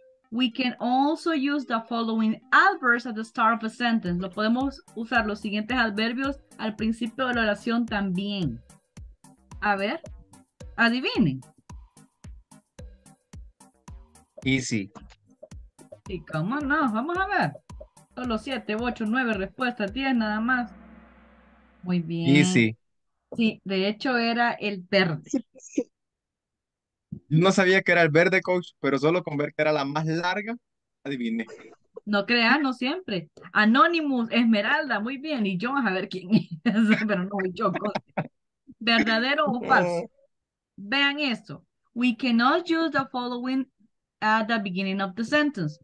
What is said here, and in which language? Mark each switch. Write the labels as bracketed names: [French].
[English] We can also use the following adverbs at the start of a sentence. [Spanish] Lo podemos usar los siguientes adverbios al principio de la oración también. A ver, adivinen. [English] Easy. [Spanish] Sí, cómo no, vamos a ver. Solo 7, 8, 9 respuestas, 10 nada más. Muy bien. [English] Easy. [Spanish] Sí, de hecho era el verde. No sabía que era el verde, coach, pero solo con ver que era la más larga, adiviné. No creas, no siempre. Anonymous, Esmeralda, muy bien. Y yo, a ver quién es, pero no, yo. ¿Verdadero o falso? Vean esto. [English] We cannot use the following at the beginning of the sentence.